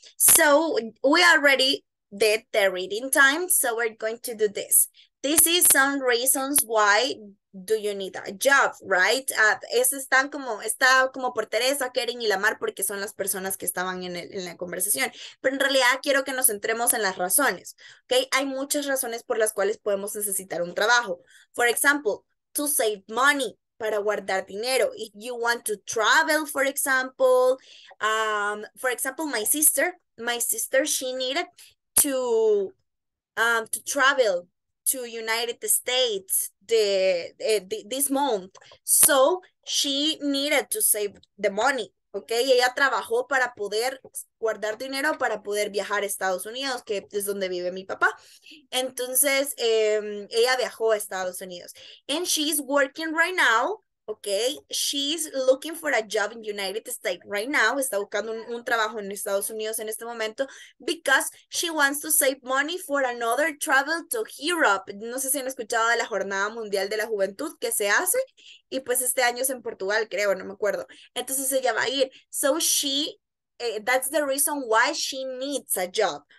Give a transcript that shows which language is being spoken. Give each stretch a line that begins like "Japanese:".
English: So we already did the reading time, so we're going to do this. This is some reasons why do you need a job, right?
Spanish: Está como por Teresa, Karen y Lamar, porque son las personas que estaban en la conversación. Pero en realidad quiero que nos centremos en las razones, okay? Hay muchas razones por las cuales podemos necesitar un trabajo.
English: For example, to save money,
Spanish: para guardar dinero.
English: If you want to travel, for example, my sister, she needed to travel to United States this month. So she needed to save the money, okay?
Spanish: Y ella trabajó para poder guardar dinero para poder viajar a Estados Unidos, que es donde vive mi papá. Entonces, ella viajó a Estados Unidos.
English: And she's working right now, okay? She's looking for a job in United States right now.
Spanish: Está buscando un trabajo en Estados Unidos en este momento
English: because she wants to save money for another travel to Europe.
Spanish: No sé si han escuchado de la Jornada Mundial de la Juventud que se hace. Y pues este año es en Portugal, creo, no me acuerdo. Entonces ella va a ir.
English: So she, that's the reason why she needs a job.